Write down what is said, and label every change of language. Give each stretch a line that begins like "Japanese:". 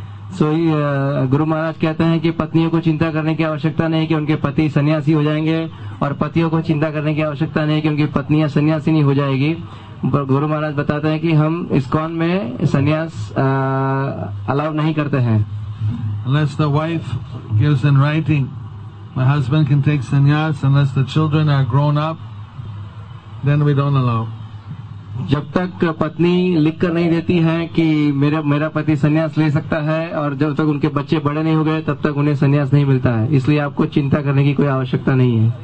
Hindi: So, Guru Maharaj कहते हैं कि पत्नियों को चिंता करने की आवश्यकता नहीं कि उनके पति सन्यासी हो जाएंगे, और पतियों को चिंता करने की आवश्यकता नहीं कि उनकी पत्नियां सन्यासी नहीं हो जाएगी. गुरु महाराज बताते हैं कि हम इस्कॉन में सन्यास अलाउ नहीं करते हैं.
English: Unless the wife gives in writing, my husband can take sannyas. Unless the children are grown up, then we don't allow.
Hindi: जब तक पत्नी लिखकर नहीं देती है कि मेरा पति सन्यास ले सकता है, और जब तक उनके बच्चे बड़े नहीं हो गए तब तक उन्हें सन्यास नहीं मिलता है, इसलिए आपको चिंता करने की कोई आवश्यकता नहीं है.